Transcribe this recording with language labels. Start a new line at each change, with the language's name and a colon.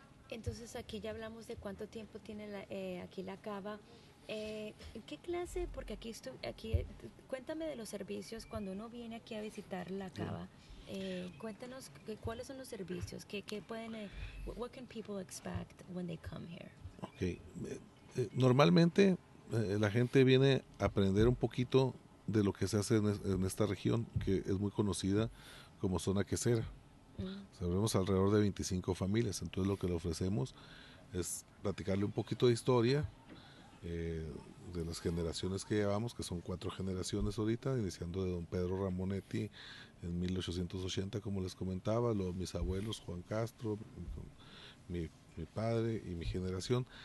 Spanish: Entonces aquí ya hablamos de cuánto tiempo tiene aquí la cava. ¿Qué clase? Porque cuéntame de los servicios cuando uno viene aquí a visitar la cava. Cuéntanos cuáles son los servicios. ¿Qué pueden?
English: What can people expect when they come here? Okay.
Spanish: Normalmente la gente viene a aprender un poquito de lo que se hace en esta región, que es muy conocida como zona quesera. Sabemos alrededor de 25 familias, entonces lo que le ofrecemos es platicarle un poquito de historia de las generaciones que llevamos, que son 4 generaciones ahorita, iniciando de don Pedro Ramonetti en 1880, como les comentaba, luego mis abuelos, Juan Castro, mi padre y mi generación.